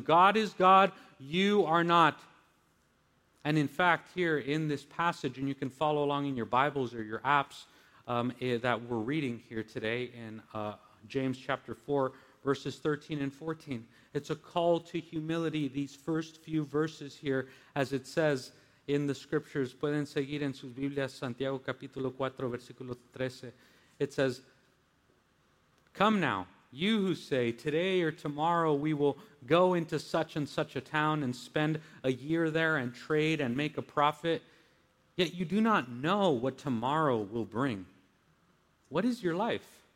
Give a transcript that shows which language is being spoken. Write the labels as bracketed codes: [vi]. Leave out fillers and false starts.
[en] God is God, you are not. And in fact, here in this passage, and you can follow along in your Bibles or your apps that we're reading here today in James chapter 4, verses 13 and 14. It's a call to humility, these first few verses here, as it says in the scriptures. [es] Pueden seguir en sus Biblias, Santiago capítulo 4, versículo 13. [en] It says, come now, you who say, today or tomorrow we will go into such and such a town and spend a year there and trade and make a profit, yet you do not know what tomorrow will bring. What is your life?